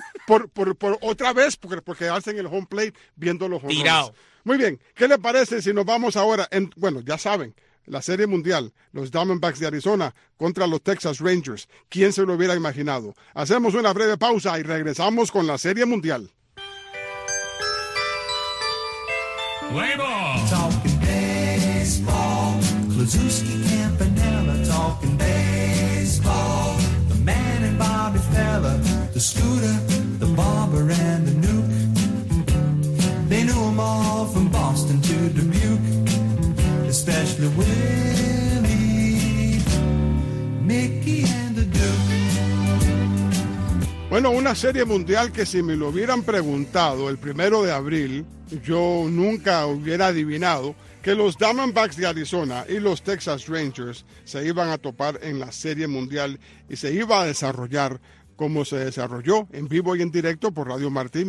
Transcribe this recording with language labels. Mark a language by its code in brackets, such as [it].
[es] Por otra vez, porque quedarse en el home plate viendo los jonrones. Tirado. Muy bien. ¿Qué le parece si nos vamos ahora? Bueno, ya saben. La Serie Mundial, los Diamondbacks de Arizona contra los Texas Rangers. ¿Quién se lo hubiera imaginado? Hacemos una breve pausa y regresamos con la Serie Mundial. [en] Play ball. Talking baseball. Klusowski can't in baseball. The man and Bobby Feller, the Scooter, the Barber and the Nuke. They knew them all from Boston to Dubuque, especially Willie, Mickey and the Duke. [es] Bueno, una serie mundial que si me lo hubieran preguntado el primero de abril, yo nunca hubiera adivinado que los Diamondbacks de Arizona y los Texas Rangers se iban a topar en la serie mundial y se iba a desarrollar como se desarrolló en vivo y en directo por Radio Martí.